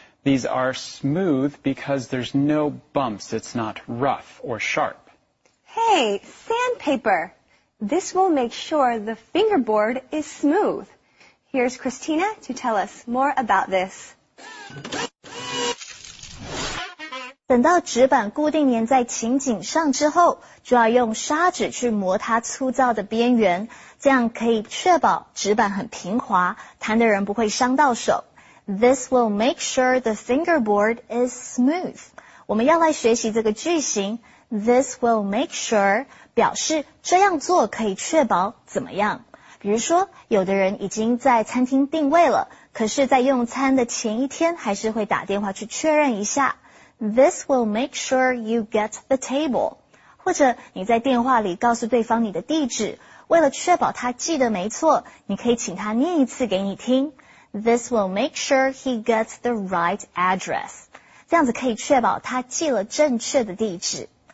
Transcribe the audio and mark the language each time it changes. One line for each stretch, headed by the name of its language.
English: These are smooth because there's no bumps. It's not rough or sharp. Hey, sandpaper! This will make sure the fingerboard is smooth. Here's Christina to tell us more about this.
Chinese: 等到纸板固定粘在琴颈上之后，就要用砂纸去磨它粗糙的边缘，这样可以确保纸板很平滑，弹的人不会伤到手。
English: This will make sure the fingerboard is smooth.
Chinese: 我们要来学习这个句型。
English: This will make sure
Chinese: 表示这样做可以确保怎么样。比如说，有的人已经在餐厅定位了，可是在用餐的前一天还是会打电话去确认一下。
English: This will make sure you get the table.
Chinese: 或者你在电话里告诉对方你的地址，为了确保他记得没错，你可以请他念一次给你听。
English: This will make sure he gets the right address.
Chinese: 这样子可以确保他记了正确的地址。